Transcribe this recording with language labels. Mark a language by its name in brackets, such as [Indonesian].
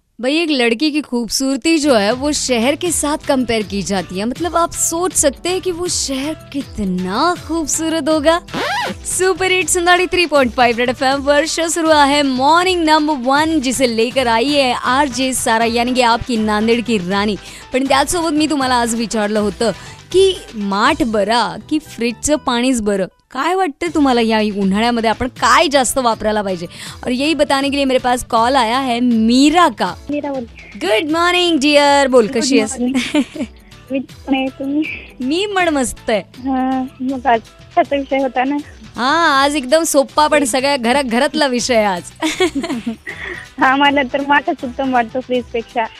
[Hindi] भाई एक लड़की की खूबसूरती जो है वो शहर के साथ कंपेयर की जाती है, मतलब आप सोच सकते हैं कि वो शहर कितना खूबसूरत होगा। सुपर हिट 93.5 रेड एफएम पर शुरू हुआ है मॉर्निंग नंबर वन, जिसे लेकर आई है आरजे सारा, यानी कि आपकी नांदेड की रानी। [Marathi] पण त्यासोबत मी तुम्हाला आज विचारलं होतं की माठ बरा की फ्रीजचं पाणीच बरं, काय वाटतं तुम्हाला या उन्हाळ्यामध्ये आपण काय जास्त वापरायला पाहिजे? [Hindi] और यही बताने के लिए मेरे पास कॉल आया है मीरा का। [English] good morning dear, [Marathi] बोल कशी आहेस? मी पण मस्त आहे। हा, आज एकदम सोप्पा पण सगळ्या घरात घरातला विषय आज। हा म्हणलं तर माठच उत्तम वाटतो फ्रीज पेक्षा।